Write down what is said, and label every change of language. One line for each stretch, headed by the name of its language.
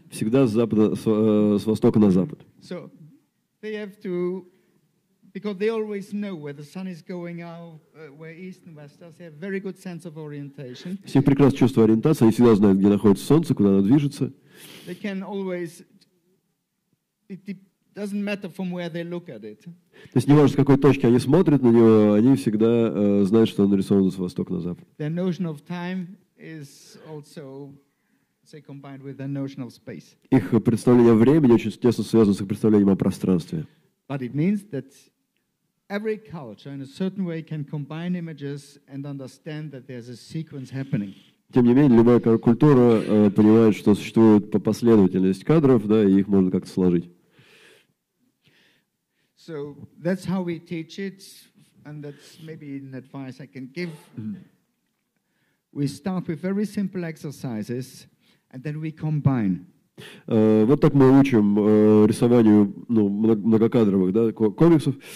Russian: Всегда с запада с востока на запад.
English: So they have to, because they always know where the sun is going out, where east and west are. They have very good sense of orientation.
Russian: Все прекрасно чувствуют ориентацию. Они всегда знают, где находится солнце, куда оно движется.
English: They can always. It doesn't matter from where they look at it.
Russian: То есть неважно, с какой точки они смотрят на него, они всегда знают, что он нарисован с востока на запад.
English: Their notion of time is also, say, combined with their notion of space.
Russian: Их представление о времени очень тесно связано с их представлением о пространстве.
English: But it means that every culture, in a certain way, can combine images and understand that there's a sequence happening.
Russian: Тем не менее, любая культура понимает, что существует последовательность кадров, да, и их можно как-то сложить.
English: So that's how we teach it, and that's maybe an advice I can give. We start with very simple exercises, and then we combine.
Russian: Вот так мы учим рисованию многокадровых, да, комиксов.